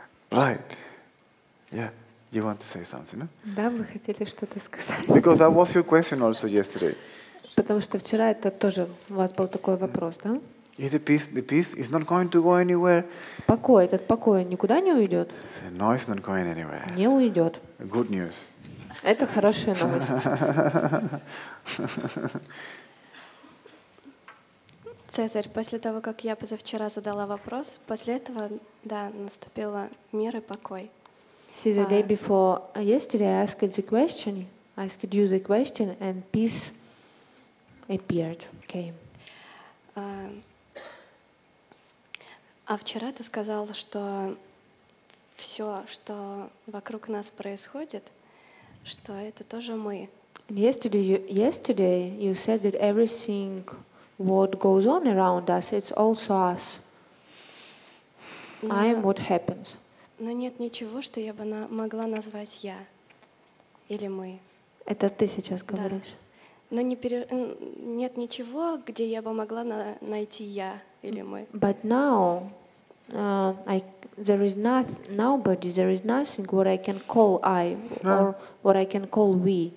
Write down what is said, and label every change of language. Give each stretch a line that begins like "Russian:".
English: Right. Yeah. You want to say something, no?
Russian: Да, вы хотели что-то сказать.
English: Because that was your question also yesterday.
Russian: Потому что вчера это тоже у вас был такой вопрос, да?
English: Is the peace is not going to go anywhere.
Russian: Покой, этот покой никуда не уйдет.
English: No, it's not going anywhere.
Russian: Не уйдет.
English: Good news.
Russian: Это хорошая новость. Цезарь, после того, как я позавчера задала вопрос, после этого, да, наступило мир и покой.
English: See, the day before yesterday, I asked the question. I asked you the question, and peace appeared, came.
Russian: А вчера ты сказала, что все, что вокруг нас происходит, что это тоже мы.
English: Yesterday you said that everything what goes on around us, it's also us. I am what happens.
Russian: Но нет ничего, что я бы могла назвать я или мы. Это ты сейчас говоришь. Да. Но нет ничего, где я бы могла найти я или мы.
English: But now there is nothing what I can call I or what I can call we.